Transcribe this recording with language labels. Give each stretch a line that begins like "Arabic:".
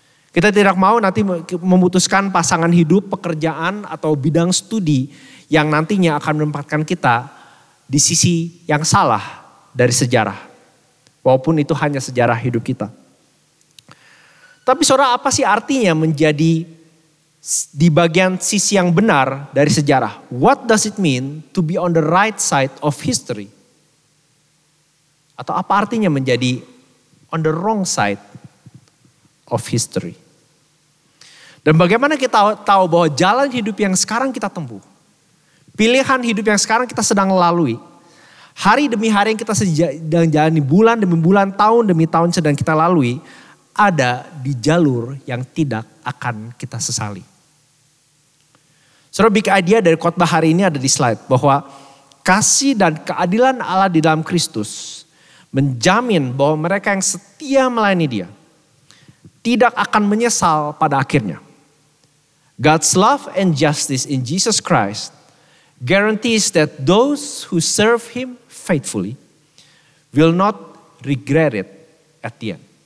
Indonesian: Kita tidak mau nanti memutuskan pasangan hidup, pekerjaan, atau bidang studi yang nantinya akan menempatkan kita di sisi yang salah dari sejarah. Walaupun itu hanya sejarah hidup kita. Tapi saudara, apa sih artinya menjadi di bagian sisi yang benar dari sejarah?
English: What does it mean to be on the right side of history?
Indonesian: Atau apa artinya menjadi
English: on the wrong side of history?
Indonesian: Dan bagaimana kita tahu bahwa jalan hidup yang sekarang kita tempuh, pilihan hidup yang sekarang kita sedang lalui, hari demi hari yang kita sedang jalani, bulan demi bulan, tahun demi tahun sedang kita lalui, ada di jalur yang tidak akan kita sesali. Saudara, big idea dari khotbah hari ini ada di slide, bahwa kasih dan keadilan Allah di dalam Kristus menjamin bahwa mereka yang setia melayani Dia tidak akan menyesal pada akhirnya.
English: God's love and justice in Jesus Christ guarantees that those who serve Him faithfully will not regret it at the end.